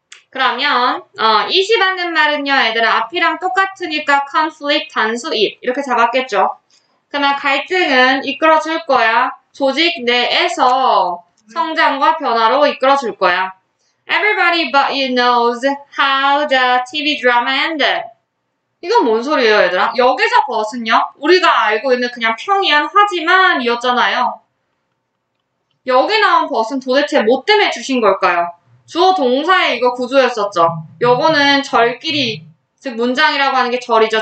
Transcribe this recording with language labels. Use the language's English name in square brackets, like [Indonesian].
[Korean] 그러면 is 받는 말은요, 애들은 앞이랑 똑같으니까 conflict 단수 is 이렇게 잡았겠죠. 그러면 갈등은 이끌어줄 거야. 조직 내에서 성장과 변화로 이끌어줄 거야. [English] Everybody but you knows how the TV drama ended. [Korean] 이건 뭔 소리예요, 얘들아? 여기서 벗은요, 우리가 알고 있는 그냥 평이한 하지만 이었잖아요. 여기 나온 벗은 도대체 뭐 때문에 주신 걸까요? 주어 동사의 이거 구조였었죠. 요거는 절끼리, 즉 문장이라고 하는 게 절이죠.